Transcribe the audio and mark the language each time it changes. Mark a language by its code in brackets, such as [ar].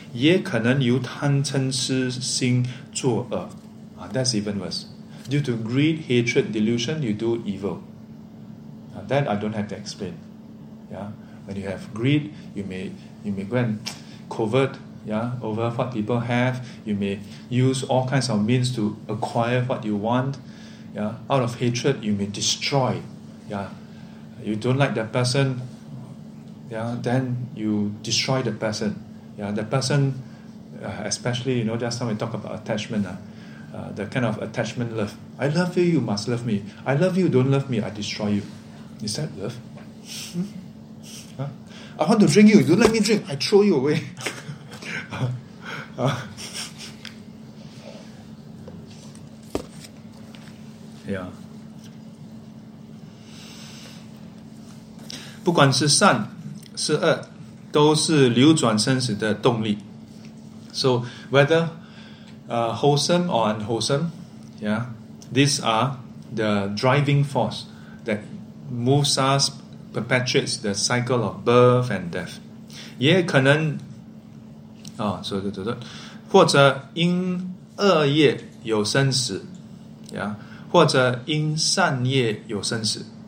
[zh] 也可能由贪嗔痴心作恶. [en] That's even worse. Due to greed, hatred, delusion, you do evil. That I don't have to explain. Yeah? When you have greed, you may go and covert, yeah, over what people have. You may use all kinds of means to acquire what you want. Yeah? Out of hatred, you may destroy. Yeah? You don't like that person. Yeah, then you destroy the person. Yeah, the person, especially, you know, just now we talk about attachment, the kind of attachment love. I love you, you must love me. I love you, don't love me, I destroy you. Is that love? Huh? I want to drink you, don't let me drink, I throw you away. Yeah. [zh] 不管是善是恶，都是流转生死的动力。 [en] So whether wholesome or unwholesome, yeah, these are the driving force that moves us, perpetuates the cycle of birth and death. [zh] 也可能啊，所以对，或者因恶业有生死，yeah, 或者因善业有生死。